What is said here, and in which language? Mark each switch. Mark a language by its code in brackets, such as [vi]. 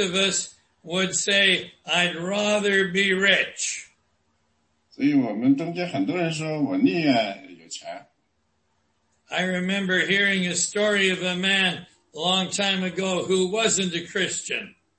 [en] of us would say, I'd rather be rich. [zh] 所以我们中间很多人说，我宁愿有钱。 [en] I remember hearing a story of a man a long time ago who wasn't a Christian.